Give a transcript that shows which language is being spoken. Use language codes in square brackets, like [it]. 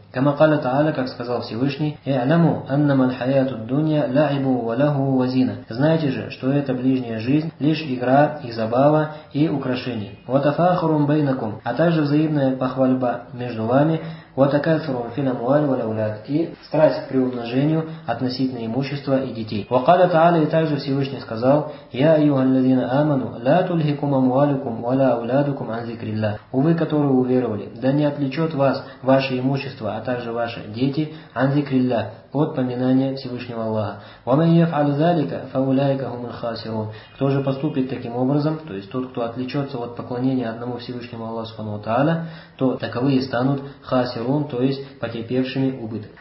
[ar] Кама каля та'аля, [ru] как сказал Всевышний, [ar] «Я'ламу аннама аль-хаяту ад-дунья ла'ибу ва лаху вазина». [ru] Знаете же, что это ближняя жизнь, лишь игра и забава и украшение. [ar] «Ва тафахурум байнакум», [ru] а также взаимная похвальба между вами, [ar] وَتَكَثُرُوا فِي الْأَمْوَالِ وَالْأَوْلَادِ [ru] и страсть к приумножению относительно имущества и детей. [ar] وَقَالَ تَعَالَى [ru] и также Всевышний сказал [ar] يَا أَيُّهَا الَّذِينَ آمَنُوا لَا تُلْهِكُمْ أَمْوَالُكُمْ وَلَا أَوْلَادُكُمْ عَنْ ذِكْرِ اللَّهِ. [ru] Увы, которые уверовали, да не отвлечет вас ваше имущество, а также ваши дети, [ar] عَنْ ذِكْرِ اللَّهِ, [ru] от поминания Всевышнего Аллаха. [ar] وَمَنْ يَفْعَلْ ذَلِكَ فَأُولَٰئِكَ هُمُ الْخَاسِرُونَ. [ru] Кто же поступит таким образом, то есть тот, кто отвлечется от поклонения одному Всевышнему Аллаху Субхану ва Тааля, то таковые станут хасирун, то есть потерпевшими убыток.